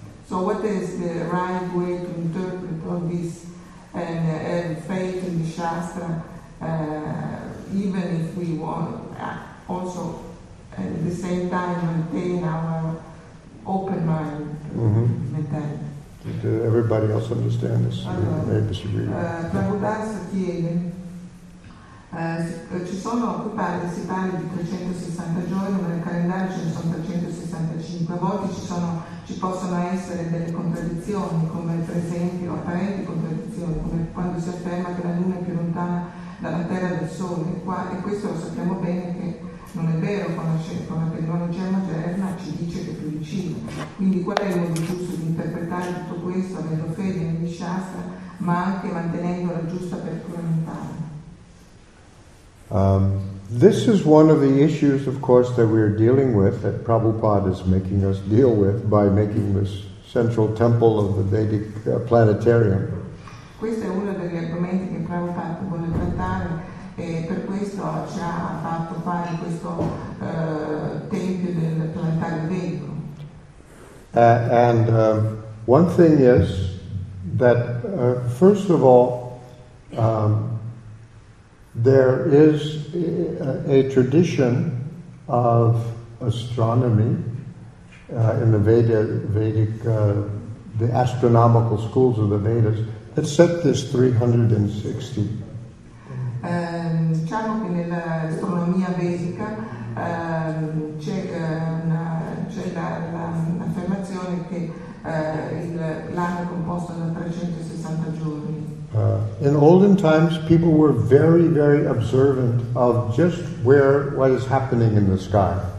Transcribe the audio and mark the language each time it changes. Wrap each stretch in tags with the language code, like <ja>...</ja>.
<en>So what is the right way to interpret all this and faith in the Shastra, even if we want also at the same time maintain our open mind mentality? Did everybody else understand this? They disagree.</en> <it>Prabhupada chiede, ci sono, si parla di 360 giorni, ma nel calendario ce ne sono 365. A volte ci possono essere delle contraddizioni, come per esempio apparenti contraddizioni, come quando si afferma che la Luna è più lontana dalla Terra del Sole. E questo lo sappiamo bene che non è vero, con la tecnologia moderna ci dice che è più vicino. Quindi qual è il modo giusto di interpretare tutto questo avendo fede nel Shastra, ma anche mantenendo la giusta apertura mentale?</it> <en>This is one of the issues, of course, that we're dealing with, that Prabhupada is making us deal with by making this central temple of the Vedic planetarium.</en> <it>Questo è uno degli argomenti che Prabhupada vuole trattare e per questo ci ha fatto fare questo tempio del planetario Vedico.</it> <en>One thing is that, first of all, there is a tradition of astronomy in the the astronomical schools of the Vedas that set this 360.</en> <it>Diciamo che nell'astronomia vedica c'è l'affermazione che l'anno è composto da 360 giorni.</it> <en>In olden times, people were very, very observant of just where what is happening in the sky.</en>